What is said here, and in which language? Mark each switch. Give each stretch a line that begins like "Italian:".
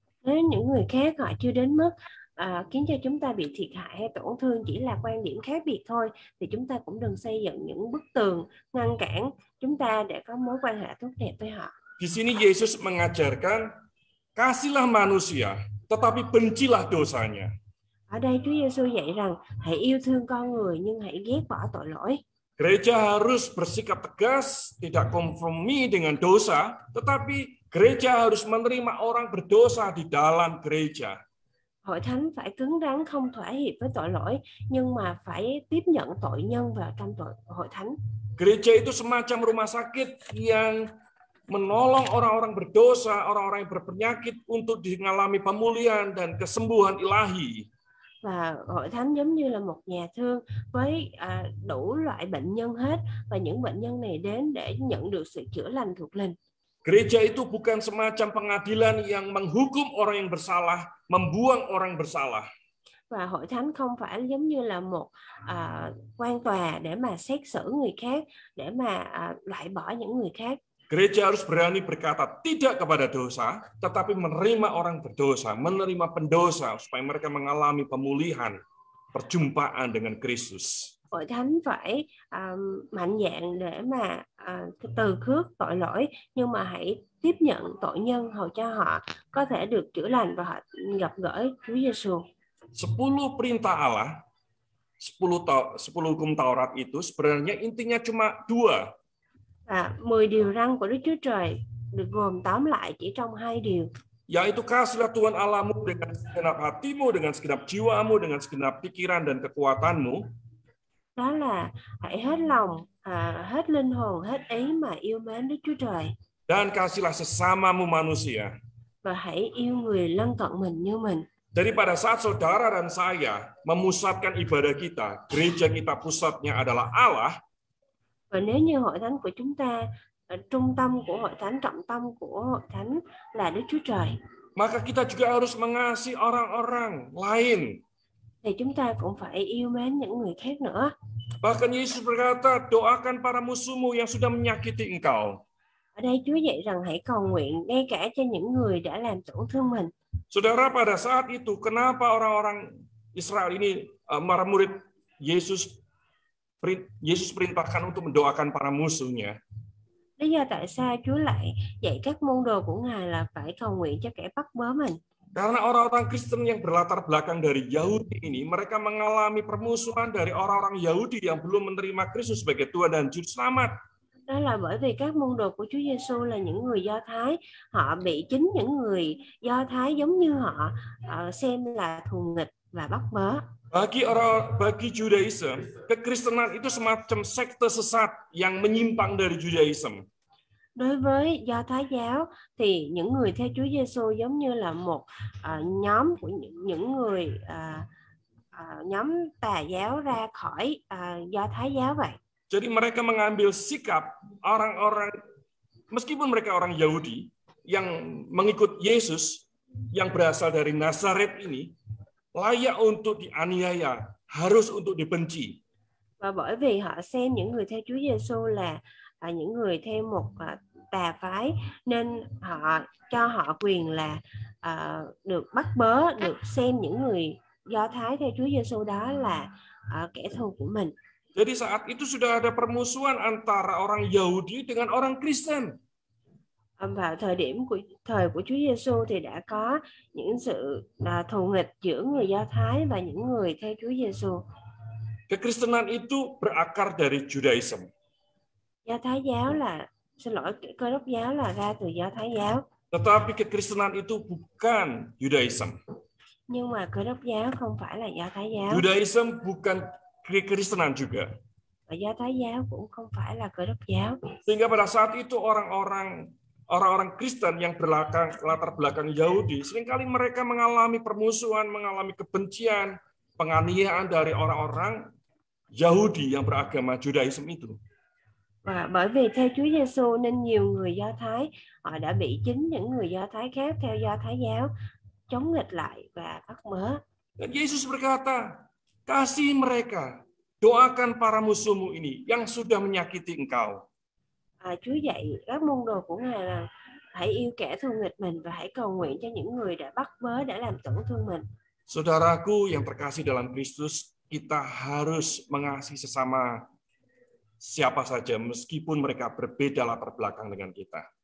Vietnamese: Nếu những người khác họ chưa đến mức khiến cho chúng ta bị thiệt hại hay tổn thương, chỉ là quan điểm khác biệt thôi, thì chúng ta cũng đừng xây dựng những bức tường ngăn cản chúng ta để có mối quan hệ tốt đẹp với họ.
Indonesian: Di sini Yesus mengajarkan, kasihlah manusia, tetapi bencilah dosanya.
Vietnamese: Ở đây Chúa Giêsu dạy rằng hãy yêu thương con người nhưng hãy ghét bỏ tội lỗi.
Indonesian: Gereja harus bersikap tegas, tidak konformi dengan dosa, tetapi gereja harus menerima orang berdosa di dalam gereja.
Vietnamese: Hội thánh phải cứng rắn không thỏa hiệp với tội lỗi nhưng mà phải tiếp nhận tội nhân vào trong hội thánh.
Indonesian: Gereja itu semacam rumah sakit yang menolong orang-orang berdosa, orang-orang yang berpenyakit untuk mengalami pemulihan dan kesembuhan ilahi.
Vietnamese: Và hội thánh giống như là một nhà thương với đủ loại bệnh nhân hết, và những bệnh nhân này đến để nhận được sự chữa lành thuộc linh.
Indonesian: Gereja itu bukan semacam pengadilan yang menghukum orang yang bersalah, membuang orang bersalah.
Vietnamese: Và hội thánh không phải giống như là một quan tòa để mà xét xử người khác, để mà loại bỏ những người khác.
Indonesian: Gereja harus berani berkata tidak kepada dosa, tetapi menerima orang berdosa, menerima pendosa, supaya mereka mengalami pemulihan, perjumpaan dengan Kristus.
Vietnamese: Hội thánh phải mạnh dạn để mà từ khước tội lỗi, nhưng mà hãy tiếp nhận tội nhân hầu cho họ có thể được chữa lành và họ gặp gỡ Chúa Giêsu.
Indonesian: 10 perintah Allah, 10 hukum Taurat itu sebenarnya intinya cuma dua.
Vietnamese: Và 10 điều răn của Đức Chúa Trời được gồm tóm lại chỉ trong 2 điều.
Indonesian: Yaitu kasihlah Tuhan Allahmu dengan segenap hatimu, dengan segenap jiwamu, dengan segenap pikiran dan kekuatanmu.
Vietnamese: Đó là hãy hết lòng, hết linh hồn, hết ý mà yêu mến Đức Chúa Trời.
Indonesian: Dan kasihlah sesamamu manusia.
Vietnamese: Và hãy yêu người lân cận mình như mình.
Indonesian: Jadi pada saat saudara dan saya memusatkan ibadah kita, gereja kita pusatnya adalah Allah.
Vietnamese: Và nếu như hội thánh của chúng ta, trung tâm của hội thánh, trọng tâm của hội thánh là Đức Chúa Trời,
Indonesian: maka kita juga harus mengasihi orang-orang lain.
Vietnamese: Thì chúng ta cũng phải yêu mến những người khác nữa.
Indonesian: Bahkan Yesus berkata, doakan para musuhmu yang sudah menyakiti engkau.
Vietnamese: Ở đây Chúa dạy rằng hãy cầu nguyện ngay cả cho những người đã làm tổn thương mình.
Indonesian: Saudara, pada saat itu, kenapa orang-orang Israel ini, para murid Yesus perintahkan untuk mendoakan para musuhnya.
Vietnamese: Lý do tại sao Chúa lại dạy các môn đồ của Ngài là phải cầu nguyện cho kẻ bắt bớ mình?
Indonesian: Karena orang-orang Kristen yang berlatar belakang dari Yahudi ini, mereka mengalami permusuhan dari orang-orang Yahudi yang belum menerima Kristus sebagai Tuhan dan Juru Selamat.
Vietnamese: Đó là bởi vì các môn đồ của Chúa Giêsu là những người Do Thái, họ bị chính những người Do Thái giống như họ xem là thù nghịch và bắt bớ.
Indonesian: Bagi orang bagi Judaism, kekristenan itu semacam sekte sesat yang menyimpang dari Judaism.
Vietnamese: Đối với Do Thái giáo thì những người theo Chúa Giêsu giống như là một nhóm của những người nhóm tà giáo ra khỏi Do Thái giáo vậy.
Indonesian: Jadi mereka mengambil sikap orang-orang meskipun mereka orang Yahudi yang mengikut Yesus yang berasal dari Nazaret ini layak untuk dianiaya, harus untuk dibenci.
Vietnamese: Và bởi vì họ xem những người theo Chúa Giêsu là những người theo một tà phái nên họ cho họ quyền là được bắt bớ, được xem những người Do Thái theo Chúa Giêsu đó là kẻ thù của mình.
Indonesian: Jadi saat itu sudah ada permusuhan antara orang Yahudi dengan orang Kristen.
Vietnamese: Và thời điểm của thời của Chúa Giêsu thì đã có những sự thù nghịch giữa người Do Thái và những người theo Chúa Giêsu.
Indonesian: Kekristenan itu berakar dari Judaism.
Vietnamese: Do Thái giáo là xin lỗi Cơ Đốc giáo là ra từ Do Thái giáo.
Indonesian: Tetapi kekristenan itu bukan Judaism.
Vietnamese: Nhưng mà Cơ Đốc giáo không phải là Do Thái giáo.
Indonesian: Judaism bukan Kristenan juga.
Vietnamese: Và Do Thái giáo cũng không phải là Cơ Đốc giáo.
Indonesian: Sehingga pada saat itu orang-orang Kristen yang belakang latar belakang Yahudi, seringkali mereka mengalami permusuhan, mengalami kebencian, penganiayaan dari orang-orang Yahudi yang beragama Judaism itu.
Vietnamese: Và bởi vì theo Chúa Giêsu nên nhiều người Do Thái họ đã bị chính những người Do Thái khác theo Do Thái giáo chống nghịch lại và bắt mớ.
Indonesian: Dan Yesus berkata, kasih mereka, doakan para musuhmu ini yang sudah menyakiti engkau.
Vietnamese: Chúa dạy các môn đồ của Ngài là hãy yêu kẻ thù nghịch mình và hãy cầu nguyện cho những người đã bắt bớ, đã làm tổn thương mình.
Indonesian: Saudaraku yang terkasih dalam Kristus, kita harus mengasihi sesama siapa saja meskipun mereka berbeda latar belakang dengan kita.